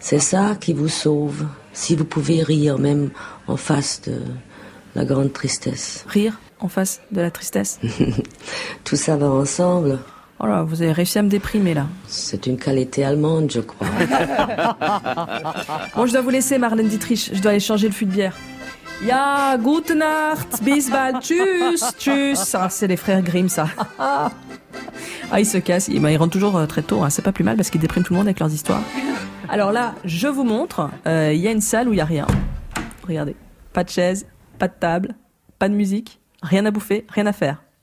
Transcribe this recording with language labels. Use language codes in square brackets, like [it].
[fr] C'est ça qui vous sauve, si vous pouvez rire même en face de... la grande tristesse. Rire en face de la tristesse. Tout ça va ensemble. Oh là, vous avez réussi à me déprimer là. C'est une qualité allemande, je crois. Bon, je dois vous laisser, Marlène Dietrich. Je dois aller changer le fût de bière. [de] Ja, gute Nacht, bis bald, tschüss. [fr] Ah, c'est les frères Grimm, ça. Ah, ils se cassent. Ils rentrent toujours très tôt. Hein. C'est pas plus mal parce qu'ils dépriment tout le monde avec leurs histoires. Alors là, je vous montre. Il y a une salle où il n'y a rien. Regardez. Pas de chaise. Pas de table, pas de musique, rien à bouffer, rien à faire.